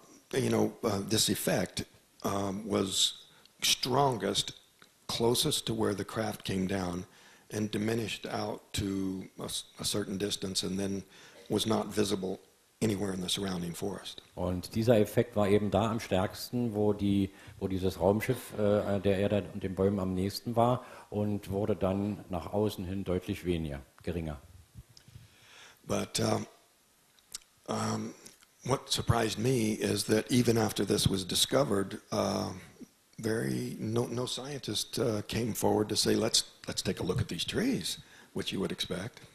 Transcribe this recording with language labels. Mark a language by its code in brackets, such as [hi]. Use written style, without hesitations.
[en] This effect was strongest closest to where the craft came down and diminished out to a certain distance and then was not visible anywhere in the surrounding forest. [de] Und dieser Effekt war eben da am stärksten, wo dieses Raumschiff der Erde und den Bäumen am nächsten war und wurde dann nach außen hin deutlich weniger, geringer. [en] But what surprised me is that even after this was discovered, no scientist came forward to say let's take a look at these trees, which you would expect.